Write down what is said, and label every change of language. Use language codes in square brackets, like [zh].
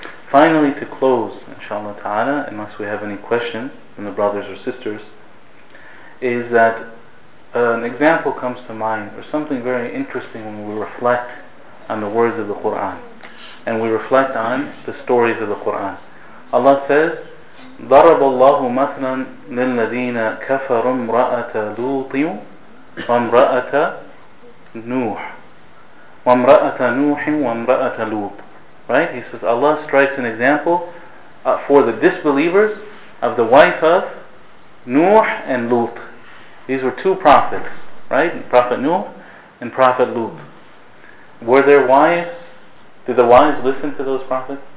[en] Finally, to close, inshallah ta'ala, unless we have any questions from the brothers or sisters, is that an example comes to mind, or something very interesting when we reflect on the words of the Qur'an, and we reflect on the stories of the Qur'an. Allah says, [ar] ضَرَبَ اللَّهُ مَثْلًا لِلَّذِينَ كَفَرُوا امْرَأَةَ لُوطٍ وَامْرَأَةَ نُوحٍ وَامْرَأَةَ نُوحٍ وَامْرَأَةَ لُوطٍ. [en] Right? He says, Allah strikes an example for the disbelievers of the wife of Nuh and Lut. These were two prophets, right? Prophet Nuh and Prophet Lut. Were their wives, did the wives listen to those prophets?